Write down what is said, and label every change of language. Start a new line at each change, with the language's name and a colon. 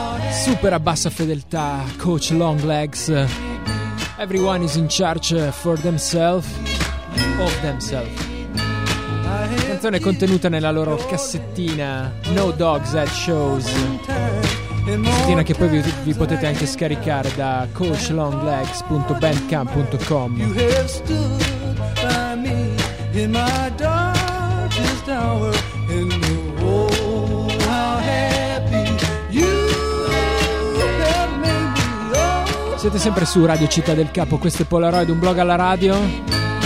Italian: Super a bassa fedeltà, Coach Longlegs.
English: Everyone is in charge for themselves, of themselves.
Italian: Canzone contenuta nella loro cassettina No Dogs at Shows. Cassettina che poi vi potete anche scaricare da coachlonglegs.bandcamp.com.
English: You have stood by me in my darkest hour in the world. How happy you have made me.
Italian: Siete sempre su Radio Città del Capo, questo è Polaroid, un blog alla radio.